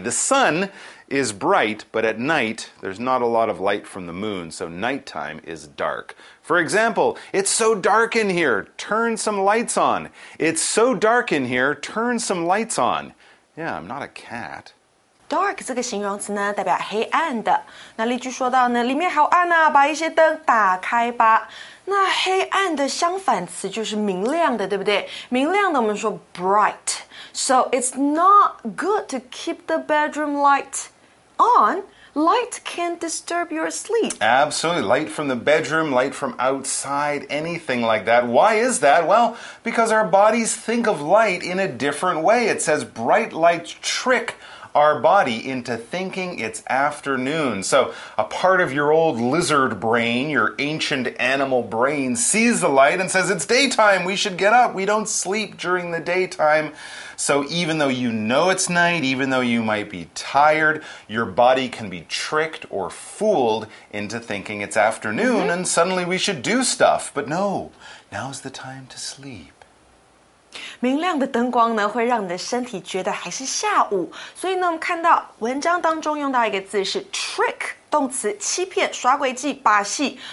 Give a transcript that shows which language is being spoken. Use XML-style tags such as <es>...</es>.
<en>The sun is bright, but at night, there's not a lot of light from the moon, so nighttime is dark. For example, it's so dark in here, turn some lights on. It's so dark in here, turn some lights on. Yeah, I'm not a cat.</en> <zh>Dark 这个形容词呢，代表黑暗的。那例句说到呢，里面好暗啊，把一些灯打开吧。那黑暗的相反词就是明亮的，对不对？明亮的我们说 bright.</zh> <en>So it's not good to keep the bedroom light on. Light can disturb your sleep. Absolutely. Light from the bedroom, light from outside, anything like that. Why is that? Well, because our bodies think of light in a different way. It says bright lights trick our body into thinking it's afternoon. So a part of your old lizard brain, your ancient animal brain, sees the light and says, it's daytime, we should get up. We don't sleep during the daytime. So even though you know it's night, even though you might be tired, your body can be tricked or fooled into thinking it's afternoon, mm-hmm. and suddenly we should do stuff. But no, now's the time to sleep.</en> <zh>明亮的灯光呢，会让你的身体觉得还是下午。所以呢，我们看到文章当中用到一个字是 trick， 动词，欺骗、耍诡计、把戏。</zh>